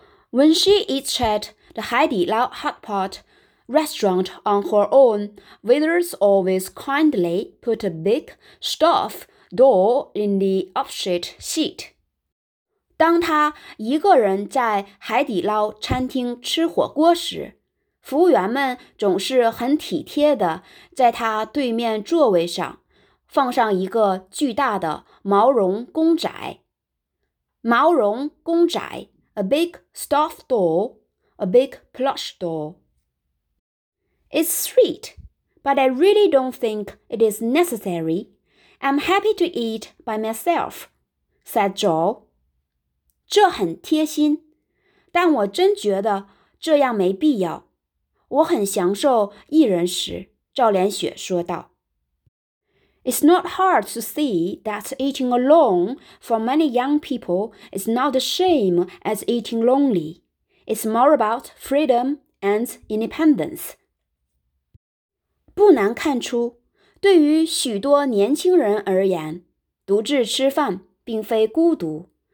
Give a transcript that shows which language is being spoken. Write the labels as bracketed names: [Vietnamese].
[English] When she eats at the 海底捞 hotpot restaurant on her own, waiters always kindly put a big stuffed doll in the upshot seat. [Chinese] 当他一个人在海底捞餐厅吃火锅时，服务员们总是很体贴地在他对面座位上放上一个巨大的毛绒公仔。毛绒公仔 [English] ,a big stuffed doll, a big plush doll. It's sweet, but I really don't think it is necessary. I'm happy to eat by myself, said Joe. [Chinese] 这很贴心，但我真觉得这样没必要。我很享受一人食，赵连雪说道。 [English] It's not hard to see that eating alone for many young people is not a shame as eating lonely. It's more about freedom and independence. [Chinese] 不难看出，对于许多年轻人而言，独自吃饭并非孤独。